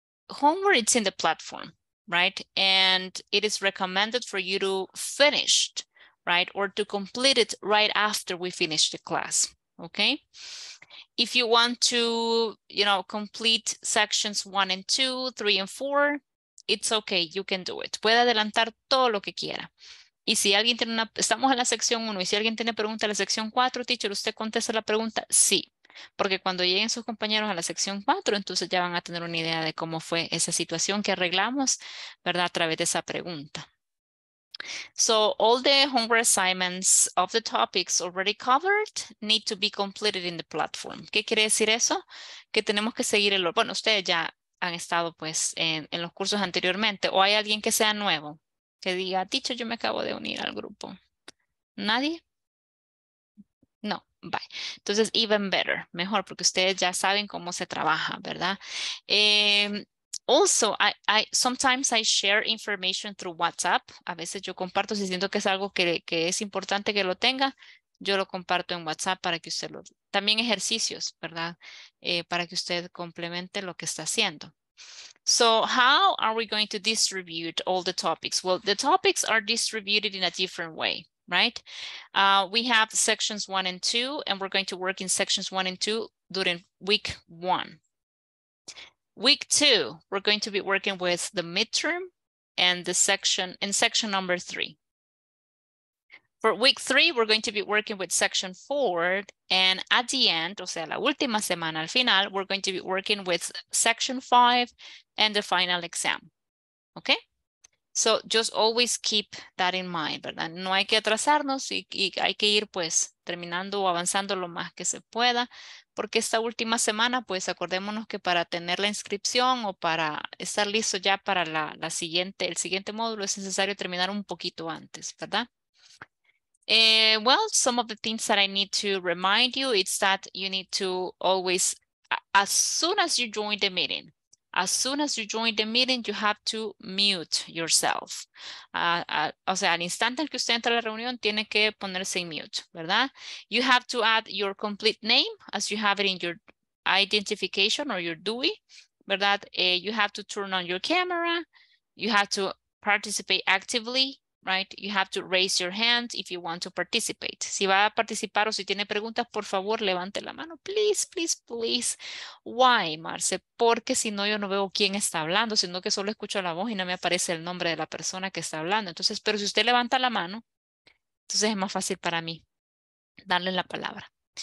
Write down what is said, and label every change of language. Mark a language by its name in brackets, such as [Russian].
[English] Homework, it's in the platform. Right, and it is recommended for you to finish, right, or to complete it right after we finish the class. Okay, if you want to, you know, complete sections 1 and 2, 3 and 4, it's okay, you can do it. [Spanish] Puede adelantar todo lo que quiera. Y si alguien tiene una, estamos en la sección 1, y si alguien tiene pregunta en la sección 4, teacher, ¿usted contesta la pregunta? Sí, porque cuando lleguen sus compañeros a la sección 4, entonces ya van a tener una idea de cómo fue esa situación que arreglamos, ¿verdad? A través de esa pregunta. [English] So all the homework assignments of the topics already covered need to be completed in the platform. [Spanish] ¿Qué quiere decir eso? Que tenemos que seguir el... Bueno, ustedes ya han estado pues en los cursos anteriormente, o hay alguien que sea nuevo. Que diga, teacher, yo me acabo de unir al grupo. ¿Nadie? No, bye. Entonces, [English] even better, [Spanish] mejor, porque ustedes ya saben cómo se trabaja, ¿verdad? [English] Also, I sometimes I share information through WhatsApp. [Spanish] A veces yo comparto, si siento que es algo que es importante que lo tenga, yo lo comparto en WhatsApp para que usted lo... También ejercicios, ¿verdad? Para que usted complemente lo que está haciendo. [English] So how are we going to distribute all the topics? Well, the topics are distributed in a different way, right? We have sections 1 and 2, and we're going to work in sections 1 and 2 during week 1. Week 2, we're going to be working with the midterm and the section in section number 3. For week 3, we're going to be working with section 4, and at the end, [Spanish] o sea, la última semana, al final, [English] we're going to be working with section 5 and the final exam, okay? So just always keep that in mind, ¿verdad? [Spanish] No hay que atrasarnos y hay que ir, pues, terminando o avanzando lo más que se pueda, porque esta última semana, pues, acordémonos que para tener la inscripción o para estar listo ya para el siguiente módulo, es necesario terminar un poquito antes, ¿verdad? [English] Well, some of the things that I need to remind you, it's that you need to always, as soon as you join the meeting, as soon as you join the meeting, you have to mute yourself. [Spanish] O sea, al instante en que usted entra a la reunión, tiene que ponerse en mute, ¿verdad? [English] You have to add your complete name as you have it in your identification or your DUI, ¿verdad? You have to turn on your camera. You have to participate actively. Right, you have to raise your hand if you want to participate. [Spanish] Si va a participar o si tiene preguntas, por favor, levante la mano. [English] Please, please, please. Why, [Spanish] Marce? Porque si no, yo no veo quién está hablando, sino que solo escucho la voz y no me aparece el nombre de la persona que está hablando. Entonces, pero si usted levanta la mano, entonces es más fácil para mí darle la palabra.